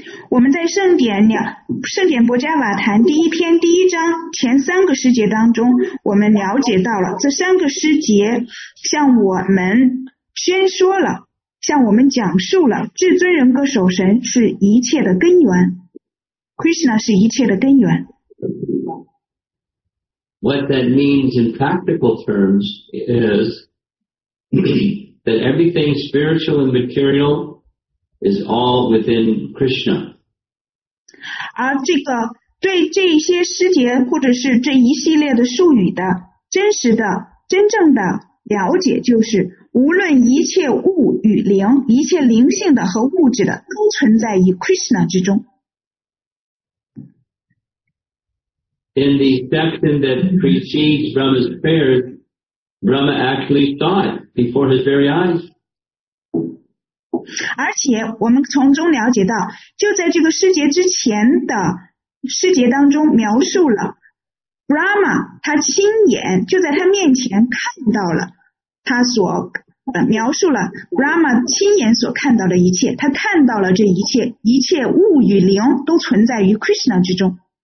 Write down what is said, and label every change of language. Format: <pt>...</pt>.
<zh>我们在圣典博迦瓦坛第一篇第一章前三个诗节当中，我们了解到了这三个诗节向我们宣说了，向我们讲述了至尊人格守神是一切的根源。 Krishna 是一切的根源。</zh> <en>What that means in practical terms is that everything spiritual and material is all within Krishna.</en> <zh>而这个对这些诗节或者是这一系列的术语的真实的真正的了解，就是无论一切物与灵，一切灵性的和物质的都存在于 Krishna 之中。</zh> <en>In the section that precedes Brahma's prayers, Brahma actually saw it before his very eyes.</en> <zh>而且我们从中了解到，就在这个诗节之前的诗节当中描述了 Brahma 他亲眼就在他面前看到了他所描述了 Brahma 亲眼所看到的一切，他看到了这一切，一切物与灵都存在于 Krishna 之中。</zh>